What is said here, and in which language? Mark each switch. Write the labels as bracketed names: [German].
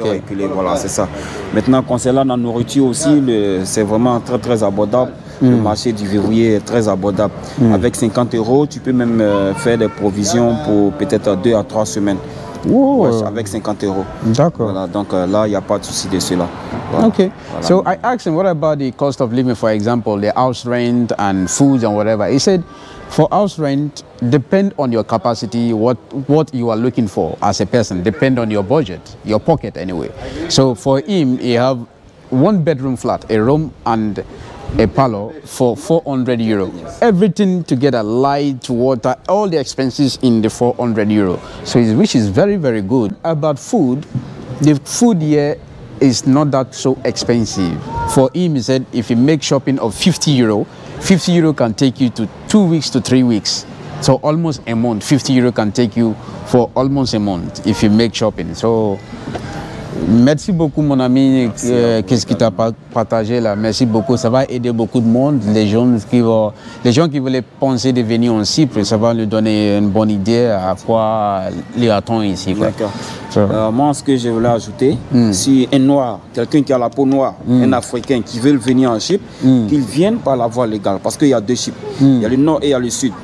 [French] Un peu reculé, voilà, c'est ça. Maintenant, concernant la nourriture aussi, c'est vraiment très très abordable. Le marché du verrier est très abordable. Avec 50 euros, tu peux même faire des provisions pour peut-être 2 à 3 semaines. Ouais, avec 50 euros. D'accord. Voilà, donc là, il n'y a pas de souci de cela. Voilà. OK. [English] Voilà. So I asked him, what about the cost of living, for example, the house rent and food and whatever. He said, for house rent, depend on your capacity, what you are looking for as a person, depend on your budget, your pocket anyway. So for him, he have one bedroom flat, a room and a parlor for 400 euros. Everything together, light, water, all the expenses in the 400 euros. So which is very, very good. About food, the food here is not that so expensive. For him, he said, if he makes shopping of 50 euros, 50 euros can take you to 2 weeks to 3 weeks. So almost a month, 50 euros can take you for almost a month if you make shopping. [French] So, merci beaucoup mon ami, qu'est-ce que tu as partagé là. Merci beaucoup, ça va aider beaucoup de monde, les gens qui voulaient penser de venir en Cypre, ça va lui donner une bonne idée à quoi lui attend ici. Quoi. D'accord. Moi, ce que je voulais ajouter, si un noir, quelqu'un qui a la peau noire, un Africain qui veut venir en Chypre, qu'ils viennent par la voie légale, parce qu'il y a deux Chypres, il y a le nord et il y a le sud.